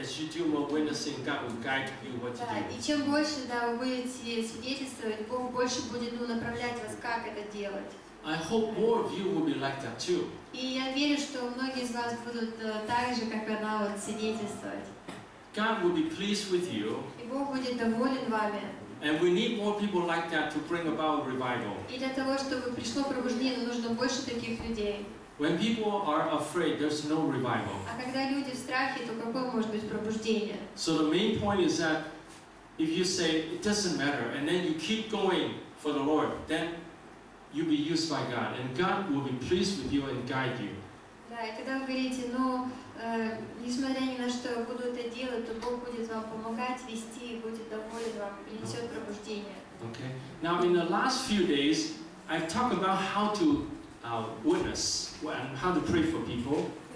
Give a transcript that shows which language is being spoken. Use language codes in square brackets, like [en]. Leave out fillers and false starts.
[ru] И чем больше, да, вы будете свидетельствовать, Бог больше будет, ну, направлять вас, как это делать. [en] I hope more of you will be like that too. [ru] И я верю, что многие из вас будут так же, как она, вот, свидетельствовать. [en] God will be pleased with you. [ru] И Бог будет доволен вами. [en] And we need more people like that to bring about revival. [ru] И для того, чтобы пришло пробуждение, нужно больше таких людей. [en] When people are afraid, there's no revival. [ru] А когда люди в страхе, то какое может быть пробуждение? [en] So the main point is that if you say it doesn't matter, and then you keep going for the Lord, then you'll be used by God, and God will be pleased with you and guide you. [ru] Да, и когда вы говорите, ну, несмотря ни на что, я буду это делать, то Бог будет вам помогать, вести, и будет доволен вам, принесет пробуждение. [en] Okay. Now in the last few days, I've talked about how to witness and how to pray for people.